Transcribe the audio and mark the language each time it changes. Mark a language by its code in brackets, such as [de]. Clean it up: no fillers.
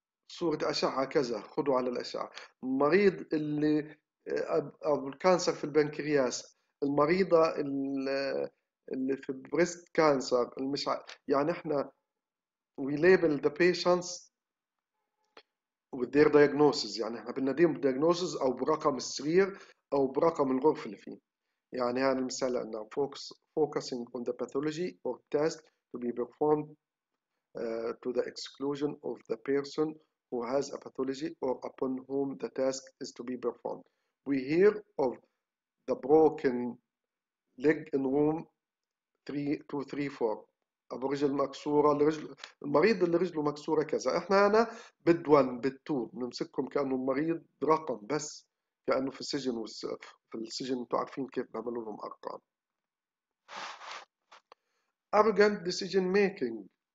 [ar] صورة أشعة كذا خدوا على الأشعة، المريض اللي أو الكانسر في البنكرياس، المريضة اللي في بريست كانسر، المش يعني إحنا [en] we label the patients with their diagnosis، [ar] يعني إحنا بنديهم diagnosis أو برقم السرير أو برقم الغرفة اللي فيه. يعني هذا المثال أن [en] focusing on the pathology or test to be performed to the exclusion of the person who has a pathology or upon whom the task is to be performed. We hear of the broken leg in room 3234. [ar] الرجل مكسورة، المريض اللي رجله مكسورة كذا. احنا هنا بد 1 بد 2 بنمسككم كأنه المريض رقم، بس كأنه في السجن، وفي السجن انتوا عارفين كيف بيعملوا لهم ارقام. [en] Arrogant decision making.